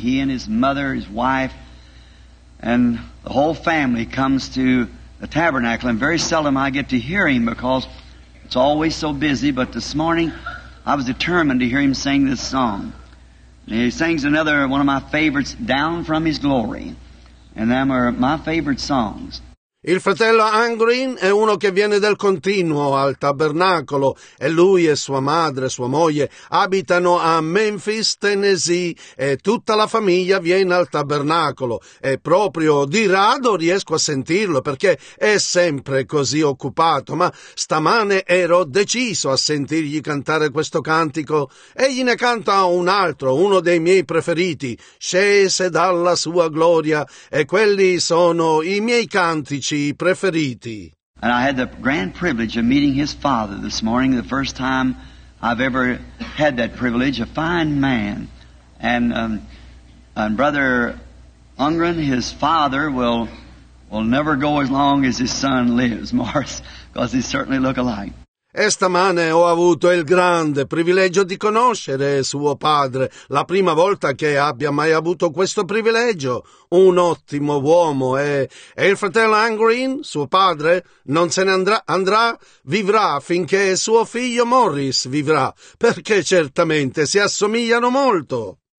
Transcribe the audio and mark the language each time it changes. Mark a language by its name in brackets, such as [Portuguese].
[English] He and his mother, his wife, and the whole family comes to the tabernacle, and very seldom I get to hear him because it's always so busy, but this morning I was determined to hear him sing this song. And he sings another one of my favorites, Down From His Glory, and them are my favorite songs. [Italian] Il fratello Angrin è uno che viene del continuo al tabernacolo e lui e sua madre, sua moglie, abitano a Memphis, Tennessee e tutta la famiglia viene al tabernacolo e proprio di rado riesco a sentirlo perché è sempre così occupato, ma stamane ero deciso a sentirgli cantare questo cantico e gli ne canta un altro, uno dei miei preferiti, Scese dalla sua gloria e quelli sono i miei canti preferiti. [English] And I had the grand privilege of meeting his father this morning, the first time I've ever had that privilege, a fine man. And Brother Ungren, his father, will never go as long as his son lives, Morris, because they certainly look alike. [Italian] E stamane ho avuto il grande privilegio di conoscere suo padre, la prima volta che abbia mai avuto questo privilegio. Un ottimo uomo e il fratello Angreen, suo padre, non se ne andrà, vivrà finché suo figlio Morris vivrà, perché certamente si assomigliano molto.